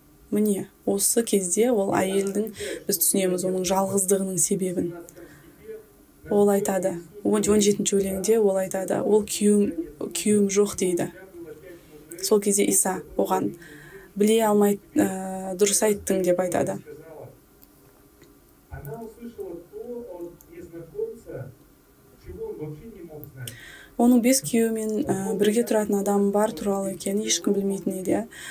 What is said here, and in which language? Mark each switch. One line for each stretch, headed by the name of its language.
Kazakh: Міне, осы кезде ол әйелдің, біз түсінеміз оның жалғыздығының себебін. Ол айтады, 17-ші өлеңде ол айтады, ол күйеуім жоқ дейді. Сол кезде Иса оған біле алмай дұрыс айттың деп айтады.
Russian: Она услышала то от незнакомца, чего он вообще не мог знать.
Kazakh: оның бес күйеуімен бірге тұратын адам бар туралы екенін ешкім білмейтін еді.